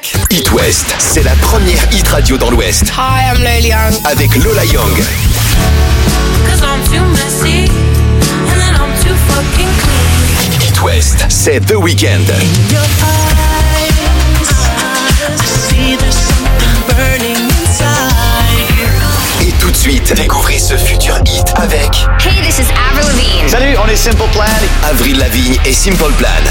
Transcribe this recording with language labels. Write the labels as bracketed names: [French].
[French] Hit West, c'est la première hit radio dans l'Ouest. [English] Hi, I'm Lil Young. [French] Avec Lola Young. [English] Cause I'm too messy, and then I'm too fucking clean. [French] Hit West, c'est The Weeknd. [English] In your eyes, I see there's something burning inside. [French] Et tout de suite, découvrez ce futur hit avec... [English] Hey, this is Avril Lavigne. [French] Salut, on est Simple Plan. Avril Lavigne et Simple Plan.